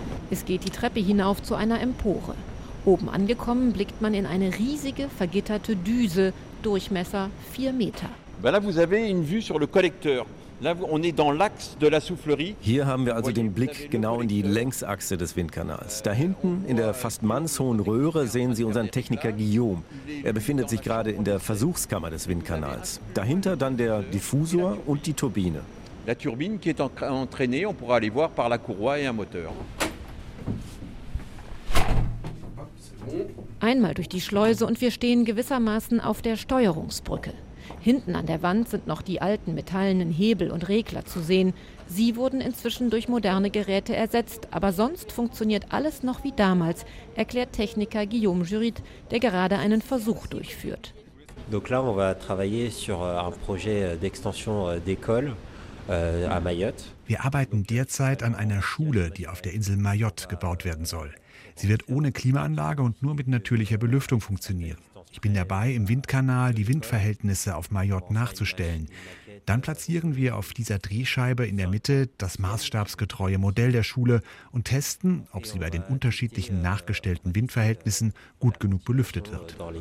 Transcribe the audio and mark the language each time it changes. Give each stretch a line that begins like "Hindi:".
German: Es geht die Treppe hinauf zu einer Empore. Oben angekommen blickt man in eine riesige vergitterte Düse, Durchmesser 4 Meter.
French: Là vous avez une vue sur le collecteur. Là on est dans l'axe de la soufflerie.
German: Hier haben wir also den Blick genau in die Längsachse des Windkanals. Da hinten in der fast mannshohen Röhre sehen Sie unseren Techniker Guillaume. Er befindet sich gerade in der Versuchskammer des Windkanals. Dahinter dann der Diffusor und die Turbine.
French: La turbine qui est entraînée, on pourra aller voir par la courroie et un moteur.
German: Einmal durch die Schleuse und wir stehen gewissermaßen auf der Steuerungsbrücke. Hinten an der Wand sind noch die alten metallenen Hebel und Regler zu sehen. Sie wurden inzwischen durch moderne Geräte ersetzt, aber sonst funktioniert alles noch wie damals, erklärt Techniker Guillaume Jurit, der gerade einen Versuch durchführt.
French: Donc là, on va travailler sur un projet d'extension d'école.
German: Wir arbeiten derzeit an einer Schule, die auf der Insel Mayotte gebaut werden soll. Sie wird ohne Klimaanlage und nur mit natürlicher Belüftung funktionieren. Ich bin dabei, im Windkanal die Windverhältnisse auf Mayotte nachzustellen. Dann platzieren wir auf dieser Drehscheibe in der Mitte das maßstabsgetreue Modell der Schule und testen, ob sie bei den unterschiedlichen nachgestellten Windverhältnissen gut genug belüftet wird.